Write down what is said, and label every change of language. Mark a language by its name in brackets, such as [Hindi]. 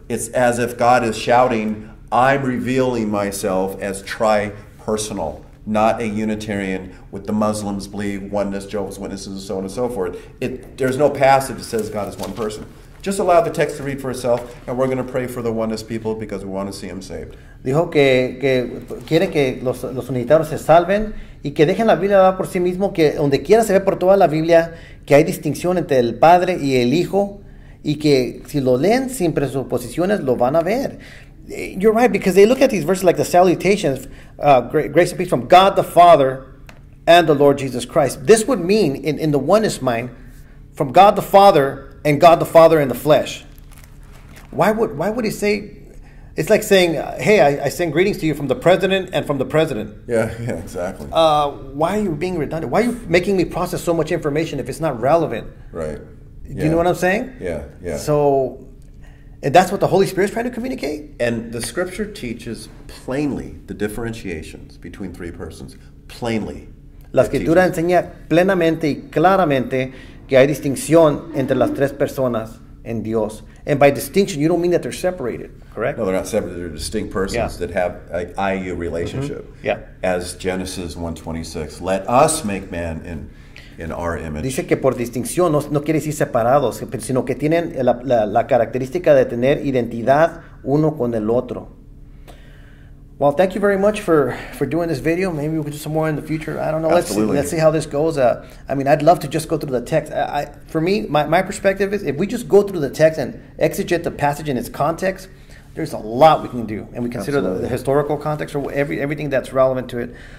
[English] It's as if God is shouting, I'm revealing myself as tri-personal, not a Unitarian, what the Muslims believe, oneness, Jehovah's Witnesses, and so on and so forth. There's no passage that says God is one person. Just allow the text to read for itself, and we're going to pray for the oneness people because we want to see them saved. [Spanish] Dijo que quiere que los unitarios se salven y que dejen la Biblia hablar por sí mismo, que donde quiera se ve por toda la Biblia que hay distinción entre el Padre y el Hijo, y que si lo leen sin presuposiciones lo van a ver. [English] You're right, because they look at these verses like the salutations, grace and peace from God the Father and the Lord Jesus Christ. This would mean in the oneness mind, from God the Father and God the Father in the flesh. Why would he say, it's like saying, hey, I send greetings to you from the president and from the president. Yeah, exactly. Why are you being redundant? Why are you making me process so much information if it's not relevant? Right. Yeah. Do you know what I'm saying? Yeah, yeah. So, and that's what the Holy Spirit's trying to communicate? And the scripture teaches plainly the differentiations between three persons. Plainly. [Spanish] La escritura enseña plenamente y claramente que hay distinción entre las tres personas en Dios. [English] And by distinction, you don't mean that they're separated, correct? No, they're not separated. They're distinct persons yeah. that have an IU relationship. Mm-hmm. Yeah. As Genesis 1:26, let us make man in our image. [Spanish] Dice que por distinción no quiere decir separados, sino que tienen la característica de tener identidad uno con el otro. [English] Well, thank you very much for doing this video. Maybe we'll do some more in the future. I don't know. Absolutely. Let's see how this goes. I mean, I'd love to just go through the text. For me, my perspective is if we just go through the text and exegete the passage in its context, there's a lot we can do. And we consider the historical context or everything that's relevant to it.